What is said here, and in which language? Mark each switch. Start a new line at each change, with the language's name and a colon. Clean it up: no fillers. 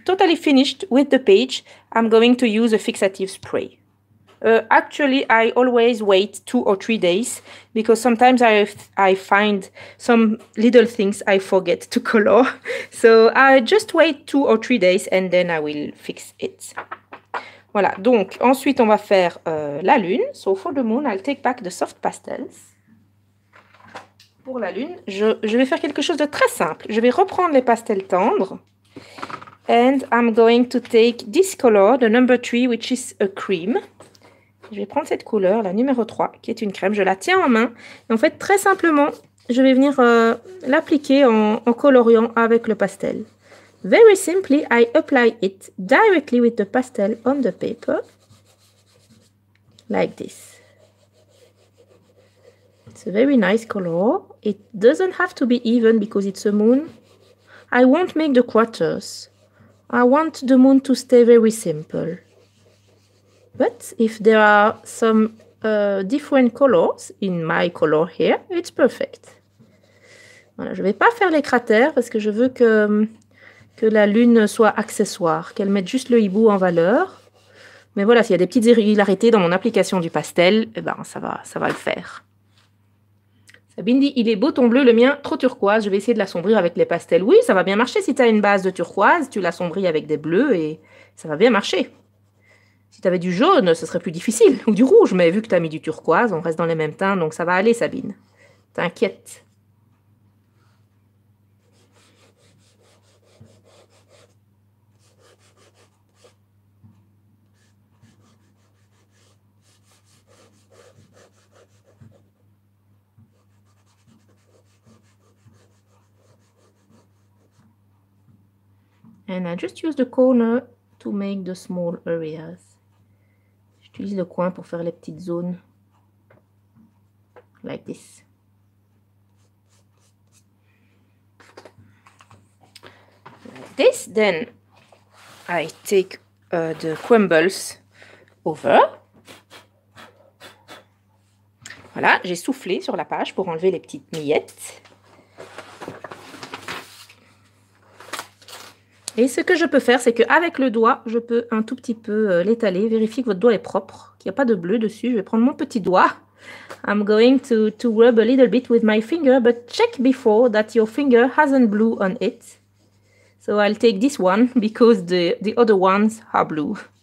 English: Totally finished with the page. I'm going to use a fixative spray. Actually, I always wait 2 or 3 days because sometimes I find some little things I forget to color. So I just wait 2 or 3 days and then I will fix it.
French: Voilà, donc ensuite on va faire la lune.
English: So for the moon, I'll take back the soft pastels.
French: Pour la lune, je vais faire quelque chose de très simple. Je vais reprendre les pastels tendres.
English: And I'm going to take this color, the number 3, which is a cream.
French: Je vais prendre cette couleur, la numéro 3, qui est une crème. Je la tiens en main. Et en fait, très simplement, je vais venir l'appliquer en coloriant avec le pastel.
English: Very simply, I apply it directly with the pastel on the paper. Like this. It's a very nice color. It doesn't have to be even because it's a moon. I won't make the quarters. I want the moon to stay very simple. But if there are some different colors in my color here, it's perfect.
French: Voilà, je ne vais pas faire les cratères parce que je veux que la lune soit accessoire, qu'elle mette juste le hibou en valeur. Mais voilà, s'il y a des petites irrégularités dans mon application du pastel, eh ben, ça va le faire. Sabine dit, il est beau ton bleu, le mien trop turquoise, je vais essayer de l'assombrir avec les pastels. Oui, ça va bien marcher si tu as une base de turquoise, tu l'assombris avec des bleus et ça va bien marcher. Si tu avais du jaune, ce serait plus difficile, ou du rouge, mais vu que tu as mis du turquoise, on reste dans les mêmes teintes, donc ça va aller Sabine, t'inquiète.
English: And I just use the corner to make the small areas.
French: J'utilise le coin pour faire les petites zones.
English: Like this. Like this, then I take the crumbles over.
French: Voilà, j'ai soufflé sur la page pour enlever les petites miettes. Et ce que je peux faire, c'est qu'avec le doigt, je peux un tout petit peu l'étaler. Vérifiez que votre doigt est propre, qu'il n'y a pas de bleu dessus. Je vais prendre mon petit doigt.
English: I'm going to rub a little bit with my finger, but check before that your finger hasn't blue on it. So I'll take this one because the other ones are blue.